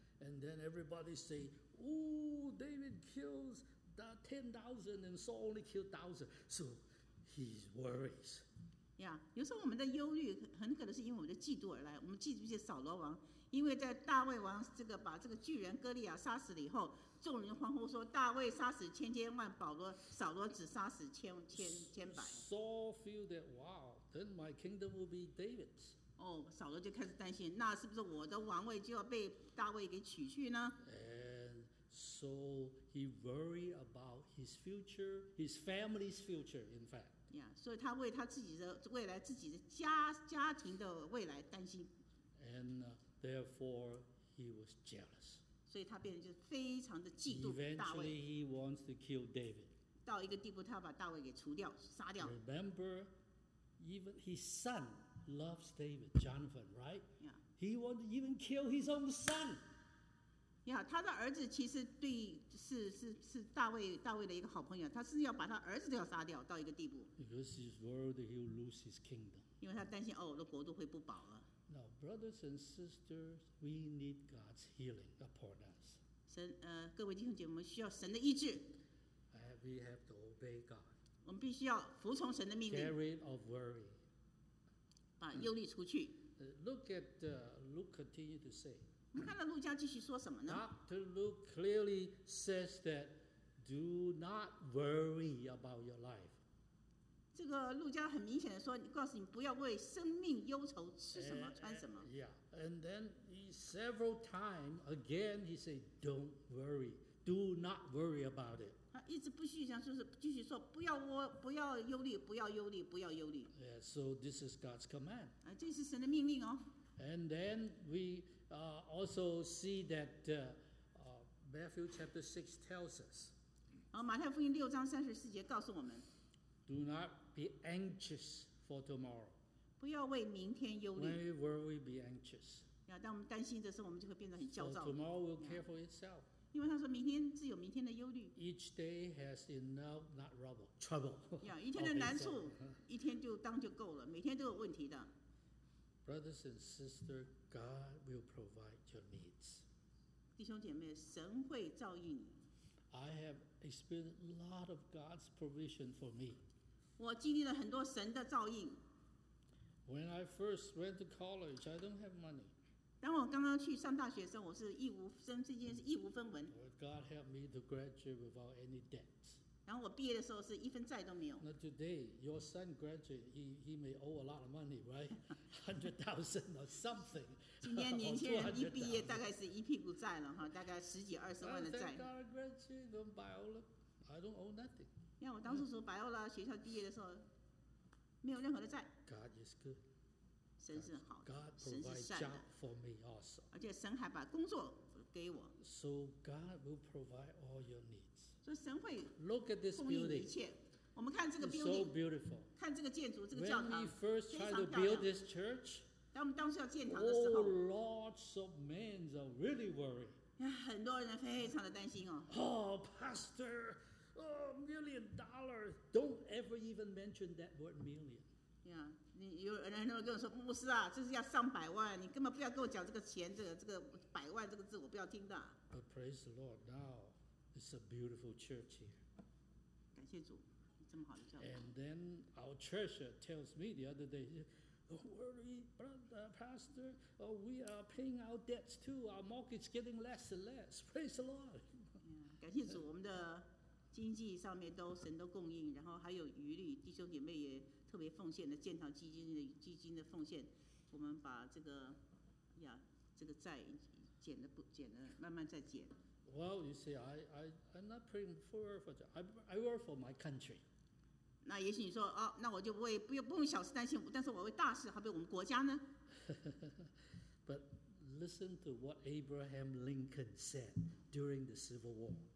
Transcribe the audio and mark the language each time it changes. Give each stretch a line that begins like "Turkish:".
English: And then everybody say, ooh, David kills the 10,000 and Saul only killed 1,000. So he worries.
Chinese: Yeah, 有时候我们的忧虑很可能是因为我们的嫉妒而来。我们记不记得扫罗王？因为在大卫王把这个巨人哥利亚杀死了以后，众人欢呼说：“大卫杀死千千万，扫罗只杀死千百。”
English: Saul feel that wow, then my kingdom will be David's.
Chinese: 扫罗就开始担心，那是不是我的王位就要被大卫给取去呢
English: ？And so he worried about his future, his family's future. In fact,
Chinese: yeah, 所以他为他自己的未来、自己的家庭的未来担心。
English: And therefore, he was jealous.
Chinese: 所以他变得就非常的嫉妒大卫。
English: Eventually, he wants to kill David.
Chinese: 到一个地步，他要把大卫给除掉、杀掉。
English: Remember, even his son loves David, Jonathan, right? Yeah. He wants to even kill his own son.
Chinese: Yeah, 他的儿子其实对是大卫的一个好朋友，他是要把他儿子都要杀掉到一个地步。
English: Because he's worried that he'll lose his kingdom.
Chinese: 因为他担心我的国度会不保了。
English: Now, brothers and sisters, we need God's healing upon us.
Chinese: 各位弟兄姐妹，我们需要神的医治。
English: We have to obey God.
Chinese: 我们必须要服从神的命令。
English: Get rid of worry.
Chinese: 把忧虑除去。
English: Look at Luke continue to say.
Chinese: 我们看到路加继续说什么呢
English: ？Doctor Luke clearly says that, do not worry about your life.
Chinese: 这个路加很明显的说，告诉你不要为生命忧愁，吃什么
English: and,
Chinese: 穿什么。
English: Yeah, and then he several times again he said, "Don't worry, do not worry about it."
Chinese: 他一直不续讲，就是继续说，不要我，不要忧虑，不要忧虑，不要忧虑。
English: Yeah, so this is God's command.
Chinese: 啊，这是神的命令哦。
English: And then we also see that Matthew chapter 6 tells us.
Chinese: 马太福音六章三十四节告诉我们。
English: Do not be anxious for tomorrow.
Chinese: 不要为明天忧虑。
English: When will we be anxious?
Chinese: 当我们担心的时候，我们就会变得很焦躁。
English: Tomorrow will care for itself.
Chinese: 因为他说明天自有明天的忧虑。
English: Each day has enough, not trouble, trouble.
Chinese: 一天的难处，一天就当就够了，每天都有问题的。
English: Brothers and sisters, God will provide your needs.
Chinese: 弟兄姐妹，神会照应你。
English: I have experienced a lot of God's provision for me.
Chinese: 我经历了很多神的照应。
English: When I first went to college, I don't have money.
Chinese: 当我刚刚去上大学的时候，我是一无分，这件事一无分文。
English: But God helped me to graduate without any debt.
Chinese: 然后我毕业的时候是一分债都没有。
English: Now today, your son graduated, he may owe a lot of money, right? $100,000 or something.
Chinese: 今天年轻人一毕业大概是一屁股债了哈，大概十几二十万的债。
English: I thank God I graduated from Biola. I don't owe nothing.
Chinese: 你看我当初从百欧拉学校毕业的时候，没有任何的债。
English: God is good.
Chinese: 神是好的。
English: God provides job for me also.
Chinese: 而且神还把工作给我。
English: So God will provide all your needs.
Chinese: 所以神会供应一切。
English: Look at this
Chinese: building. 我们看这个 building,
English: so beautiful.
Chinese: 看这个建筑，这个教堂
English: When we first tried to build this church,
Chinese: 当我们当初要建堂的时候
English: oh, lots of men are really worried.
Chinese: 很多人非常的担心哦。
English: Oh, pastor, oh, million dollars. Don't ever even mention that word million.
Chinese: Yeah, 有人跟我说，牧师啊，这是要上百万，你根本不要跟我讲这个钱，这个百万这个字，我不要听的。
English: But praise the Lord, now it's a beautiful church here.
Chinese: 感谢主。
English: And then our treasurer tells me the other day, "Don't worry, brother, pastor. Oh, we are paying our debts too. Our mortgage is getting less and less. Praise the Lord."
Chinese: Yeah, 感谢主，我们的经济上面都神都供应，然后还有余力，弟兄姐妹也特别奉献的建堂基金的奉献，我们把这个这个债减了不减了，慢慢再减。
English: Well, you see, I'm not praying for that. I work for my country.
Chinese: 那也许你说哦，那我就不会不用小事担心，但是我为大事，好比我们国家呢。
English: But listen to what Abraham Lincoln said during the Civil War.